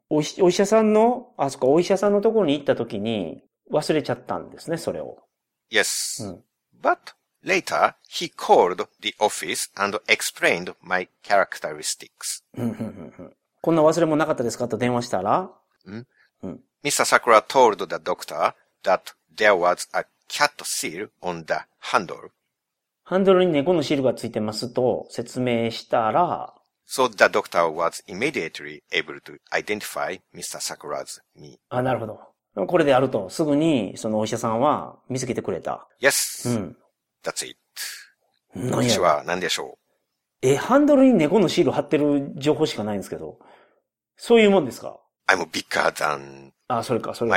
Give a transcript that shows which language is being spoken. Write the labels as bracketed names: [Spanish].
[Japanese] お医者さんの、あそこ、お医者さんのところに行ったときに忘れちゃったんですね、それを。 [English] Yes.、うん、But later, he called the office and explained my characteristics. [Japanese] こんな忘れ物なかったですかと電話したら、ん?うん。Mr. [English] Sakura told the doctor that there was a cat seal on the handle. [Japanese] ハンドルに猫のシールがついてますと説明したら、 [English] So the doctor was immediately able to identify Mr. Sakura's me. [Japanese] あ、なるほど。これであると、すぐにそのお医者さんは見つけてくれた。 [English] Yes. [Japanese] うん。 [English] That's it. [Japanese] 何や?は何でしょう? ハンドルに猫のシール貼ってる情報しかないんですけど、そういうもんですか? [English] I'm bigger than [Japanese] あ、それか、それか。